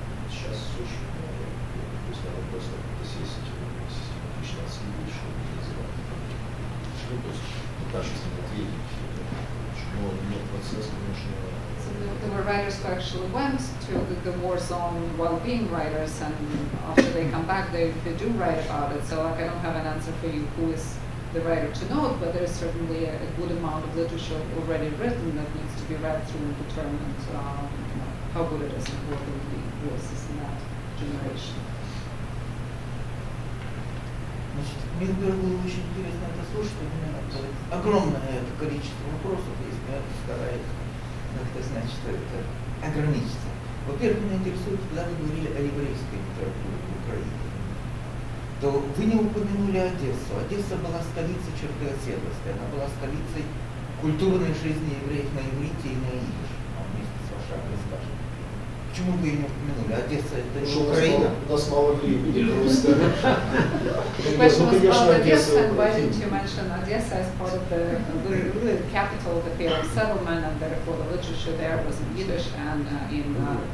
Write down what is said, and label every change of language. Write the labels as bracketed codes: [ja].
[ru] Сейчас очень много, то есть надо просто систематично отследить, что они называют. То есть пытаешься ответить, но нет процесса, конечно. [en] There were writers who actually went to the war zone while being writers, and after they come back, they do write about it. So, like, I don't have an answer for you who is the writer to know it, but there is certainly a good amount of literature already written that needs to be read through and determined how good it is and what it was in that generation. [ru] Значит, мне было очень интересно это слушать, у меня огромное количество вопросов есть, я стараюсь. Это значит, что это ограничится. Во-первых, меня интересует, когда вы говорили о еврейской литературе в Украине. Да, вот то вы не упомянули Одессу. Одесса была столицей черкесскости, она была столицей культурной жизни евреев на иврите и на идише, вместе с вашей агрессией. Почему вы ее не упомянули? Одесса — это не Украина? У нас мало времени, просто. Почему мы сказали Одесса? [en] And why didn't you mention Odessa as part of the capital of the period of settlement, and therefore the literature there was in Yiddish and in Hebrew?